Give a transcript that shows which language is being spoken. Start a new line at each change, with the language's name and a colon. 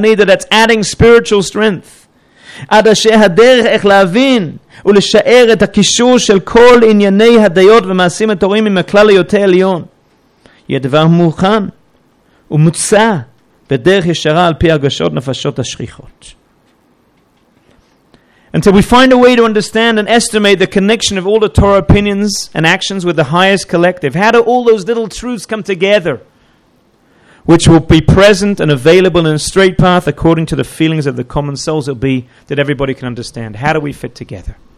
English: That's adding spiritual strength.
Hebrew: עד אשר הדרך איך להבין ולשאר את הקישור של כל ענייני הדעות ומעשים התורים עם הכלל היותר עליון. יהיה דבר מוכן ומוצע בדרך ישרה על פי הרגשות נפשות השכיחות.
English: And so we find a way to understand and estimate the connection of all the Torah opinions and actions with the highest collective. How do all those little truths come together? Which will be present and available in a straight path according to the feelings of the common souls. It'll be that everybody can understand. How do we fit together?